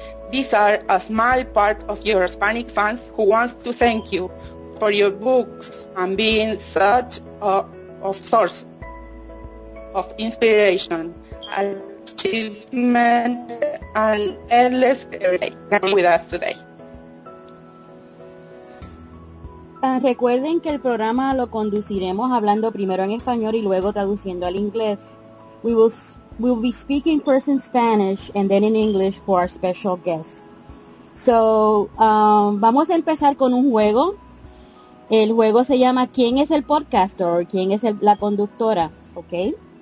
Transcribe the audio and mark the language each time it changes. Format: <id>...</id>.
<en>These are a small part of your Hispanic fans who wants to thank you for your books and being such a source of inspiration, achievement, and endless great with us today.</en> <es>Recuerden que el programa lo conduciremos hablando primero en español y luego traduciendo al inglés.</es> <en>We will be speaking first in Spanish and then in English for our special guests.</en> <es>Vamos a empezar con un juego. El juego se llama ¿Quién es el podcaster? O ¿Quién es la conductora? Okay.</es>